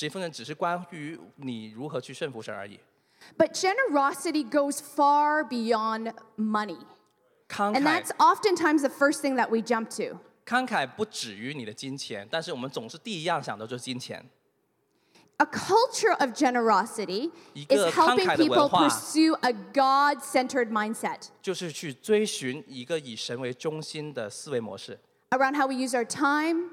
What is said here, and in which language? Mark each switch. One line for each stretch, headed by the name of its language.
Chinese: 我所说的并不是十一奉献，因为十一奉献只是关于你如何去顺服神而已。
English: But generosity goes far beyond money.
Chinese: 慷慨,
English: and that's oftentimes the first thing that we jump to.
Chinese: 慷慨不止于你的金钱，但是我们总是第一样想的就是金钱。
English: A culture of generosity is helping people pursue a God-centered mindset.
Chinese: 就是去追寻一个以神为中心的思维模式。
English: Around how we use our time,